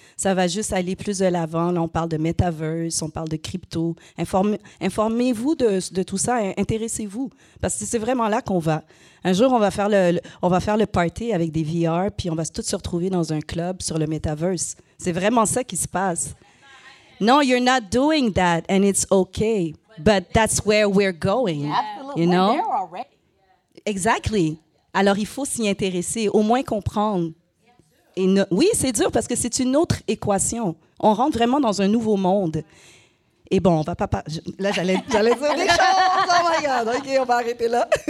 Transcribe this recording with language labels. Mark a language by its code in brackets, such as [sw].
[fr] Ça va juste aller plus de l'avant. Là, on parle de metaverse, on parle de crypto. Informez-vous de tout ça, intéressez-vous. Parce que c'est vraiment là qu'on va. Un jour, on va faire le party avec des VR, puis on va tous se retrouver dans un club sur le metaverse. C'est vraiment ça qui se passe. [en] Non, you're not doing that, and it's okay. But that's where we're going, you know? Exactly. [fr] Alors, il faut s'y intéresser, au moins comprendre. Et oui, c'est dur parce que c'est une autre équation. On rentre vraiment dans un nouveau monde. Et bon, on va pas... j'allais dire des choses, [en] oh my God! [fr] OK, on va arrêter là.